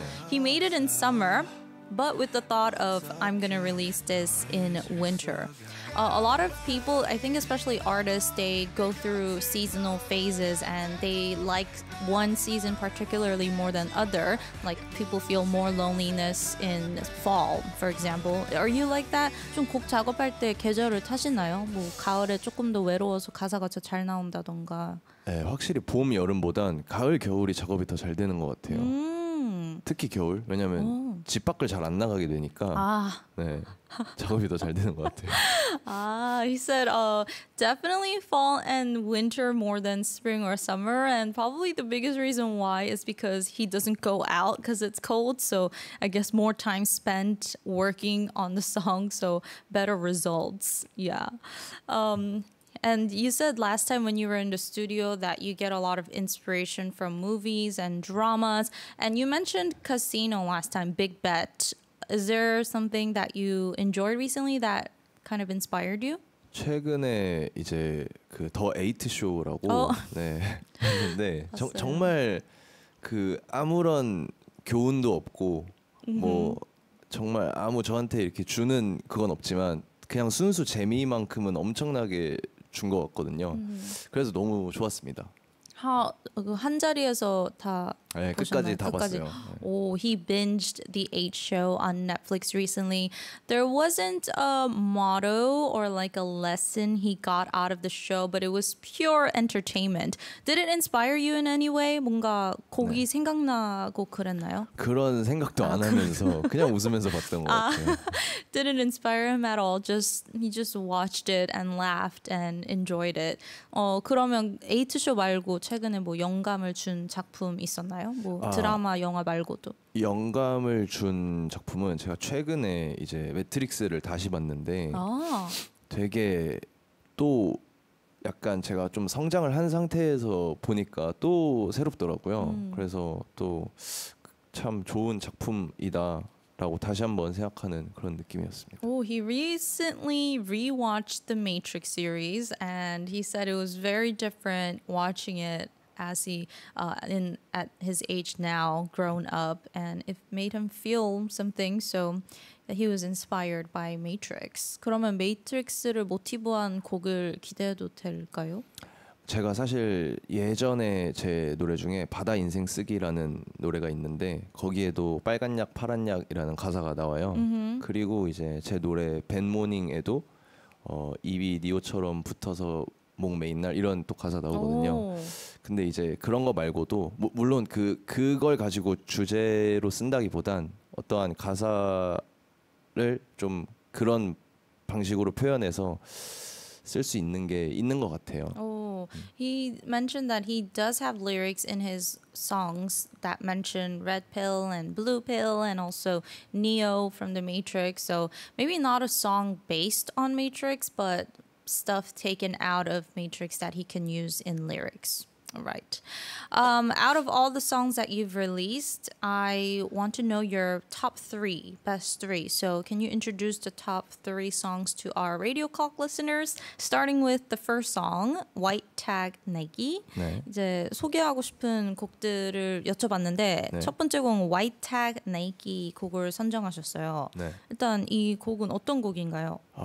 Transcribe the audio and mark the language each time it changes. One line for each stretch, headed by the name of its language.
English: He made it in summer, but with the thought of I'm gonna release this in winter. A lot of people, I think especially artists, they go through seasonal phases and they like one season particularly more than other. Like people feel more loneliness in fall, for example. Are you like that?
Korean: 좀 곡 작업할 때 계절을 타시나요? 뭐 가을에 조금 더 외로워서 가사가 더 잘 나온다던가. 네, 확실히 봄, 여름보단 가을, 겨울이 작업이 더 잘 되는 것 같아요. 특히 겨울, 왜냐하면 집 밖을 잘 안 나가게 되니까 네, 작업이 더 잘 되는 것 같아요.
English: He said definitely fall and winter more than spring or summer, and probably the biggest reason why is because he doesn't go out because it's cold, so I guess more time spent working on the song, so better results, yeah. And you said last time when you were in the studio that you get a lot of inspiration from movies and dramas. And you mentioned Casino last time, Big Bet. Is there something that you enjoyed recently that kind of inspired you?
Korean: 최근에 이제 그 더 에이트 쇼라고 했는데 정말 그 아무런 교훈도 없고 뭐 정말 아무 저한테 이렇게 주는 그건 없지만 그냥 순수 재미만큼은 엄청나게 준 것 같거든요. 그래서 너무 좋았습니다. 한 자리에서 다 보셨나요? 끝까지 다 봤어요.
English: 오, he binged the 8 show on Netflix recently. There wasn't a motto or like a lesson he got out of the show, but it was pure entertainment. Did it inspire you in any way?
Korean: 뭔가 곡이 생각나고 그랬나요? 그런 생각도 안 하면서 그냥 웃으면서 봤던 것 같아요.
English: Did it inspire him at all? He just watched it and laughed and enjoyed it.
Korean: 그러면 8 show 말고 최근에 뭐 영감을 준 작품 있었나요? 뭐 드라마, 영화 말고도. 영감을 준 작품은 제가 최근에 이제 매트릭스를 다시 봤는데 되게 또 약간 제가 좀 성장을 한 상태에서 보니까 또 새롭더라고요. 그래서 또 참 좋은 작품이다. 라고 다시 한번 생각하는 그런 느낌이었습니다.
English: Oh, he recently rewatched the Matrix series, and he said it was very different watching it as he at his age now, grown up, and it made him feel something. So he was inspired by Matrix.
Korean: 그러면 매트릭스를 모티브한 곡을 기대해도 될까요? 제가 사실 예전에 제 노래 중에 바다 인생 쓰기라는 노래가 있는데 거기에도 빨간 약 파란 약이라는 가사가 나와요. Mm-hmm. 그리고 이제 제 노래 Bad Morning에도 입이 니오처럼 붙어서 목 메인 날 이런 또 가사 나오거든요. 근데 이제 그런 거 말고도 물론 그걸 가지고 주제로 쓴다기보단 어떠한 가사를 좀 그런 방식으로 표현해서 쓸 수 있는 게 있는 것 같아요.
English: He mentioned that he does have lyrics in his songs that mention red pill and blue pill and also Neo from the Matrix. So maybe not a song based on Matrix, but stuff taken out of Matrix that he can use in lyrics. All right. Out of all the songs that you've released, I want to know your top three, best three. So can you introduce the top three songs to our Radio Clock listeners? Starting with the first song, White Tag Nike.
Korean: 네. 이제 소개하고 싶은 곡들을 여쭤봤는데 네. 첫 번째 곡 White Tag Nike 곡을 선정하셨어요. 네. 일단 이 곡은 어떤 곡인가요?